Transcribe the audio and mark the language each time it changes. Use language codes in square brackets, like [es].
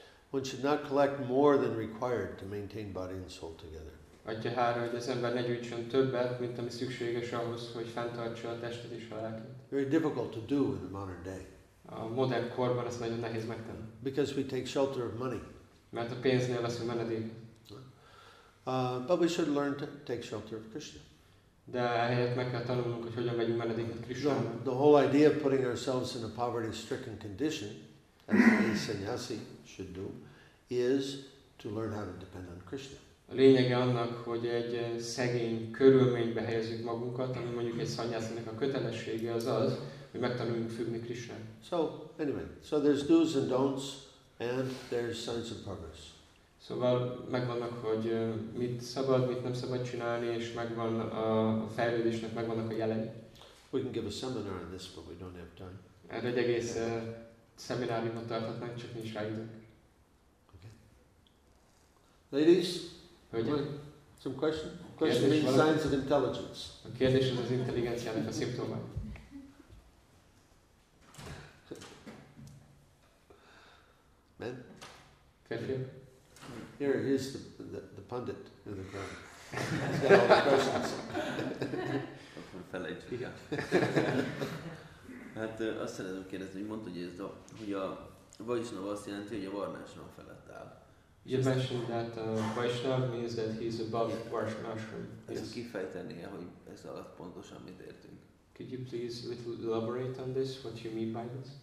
[en] One should not collect more than required to maintain body and soul together. [hu] Adyahara, hogy az ember ne gyűjtsön többet, mint ami szükséges ahhoz, hogy fenntartsa a testet és a lelket. [en] Very difficult to do in the modern day. [hu] A modern korban ez nagyon nehéz megtenni. [en] Because we take shelter of money. [hu] Mert a pénznél veszünk menedéket. [en] But we should learn to take shelter of Krishna. [hu] De ehelyett meg kell tanulnunk, hogy hogyan vegyünk menedéket Krishnának. [en] The whole idea of putting ourselves in a poverty-stricken condition, as a sannyasi should do, is to learn how to depend on Krishna. [hu] A lényege annak, hogy egy szegény körülménybe helyezzük magunkat, ami mondjuk egy sannyasinak a kötelessége az az, hogy megtanuljunk függni Krishnának. [en] So, anyway, so there's do's and don'ts, and there's signs of progress. [hu] Szóval megvannak, hogy mit szabad, mit nem szabad csinálni, és megvan a fejlődésnek, megvannak a jelei. [en] We can give a seminar on this, but we don't have time. [hu] Erre egy egész szemináriumot tarthatnánk, csak nincs rá időnk. [en] Okay. Ladies, [hu] hogy? [en] Some question? Question means signs of intelligence. [hu] A kérdés az az intelligenciának a szimptoma. [en] Men? [hu] Férfiak? [en] Here, here's the pundit in the crowd. He's got all the questions. [hu] Felejtsd. Hát azt szeretném kérdezni, hogy mondta, hogy ez a, hogy a Vaisnava azt jelenti, hogy a Varnásra felett áll. [en] You mentioned that Vaisnava means that he's above Varnásra. [hu] Ezt kifejtenie, hogy ez alatt pontosan mit értünk. [en] Could you please little elaborate on this, what you mean by this?